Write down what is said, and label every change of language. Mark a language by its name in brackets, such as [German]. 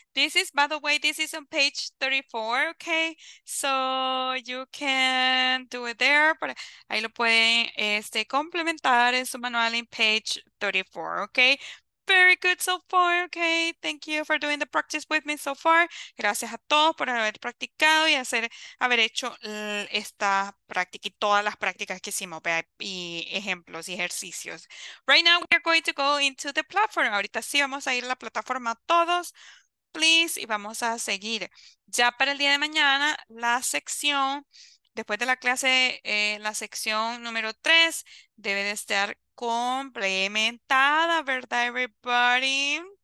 [English] This is, by the way, this is on page 34, okay? So you can do it there, but [Spanish] ahí lo pueden complementar en su manual en [English] page 34, okay? Very good so far, okay. Thank you for doing the practice with me so far. [Spanish] Gracias a todos por haber practicado y haber hecho esta práctica y todas las prácticas que hicimos, y ejemplos y ejercicios. [English] Right now we are going to go into the platform. [Spanish] Ahorita sí vamos a ir a la plataforma todos, please, y vamos a seguir. Ya para el día de mañana, la sección, después de la clase, la sección número 3 debe de estar complementada, ¿verdad, everybody?